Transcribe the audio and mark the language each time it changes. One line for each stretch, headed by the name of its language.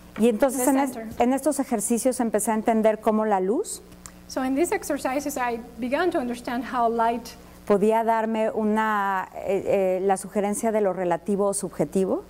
Spanish: Y entonces en estos ejercicios empecé a entender cómo la luz.
English: So in these exercises, I began to understand how light
Spanish: podía darme una la sugerencia de lo relativo o subjetivo.